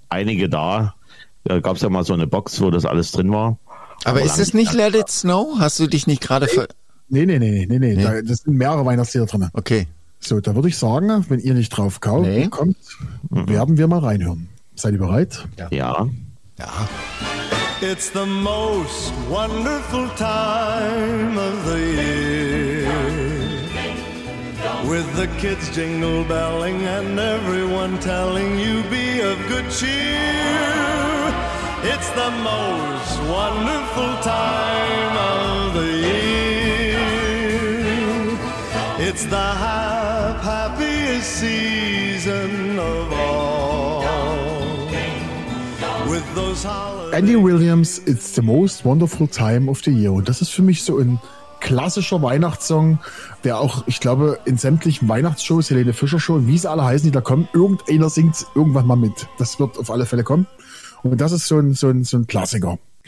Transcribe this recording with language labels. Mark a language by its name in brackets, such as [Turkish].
[German] Einige da. Da gab es ja mal so eine Box, wo das alles drin war. Aber ist es nicht Let It Snow? Hast du dich nicht gerade ver... Nee. Da sind mehrere Weihnachtslieder drin. Okay. So, da würde ich sagen, wenn ihr nicht drauf kommt, werden wir mal reinhören. Seid ihr bereit? Ja. [English] It's the most wonderful time of the year. With the kids jingle belling and everyone telling you be of good cheer. It's the most wonderful time of the year. It's the happiest season of all. With those holidays. [German] Andy Williams, It's the most wonderful time of the year. Und das ist für mich so ein klassischer Weihnachtssong, der auch, ich glaube, in sämtlichen Weihnachtsshows, Helene Fischer Show, wie sie alle heißen, die da kommen, irgendeiner singt irgendwann mal mit. Das wird auf alle Fälle kommen. Und das ist so ein Klassiker.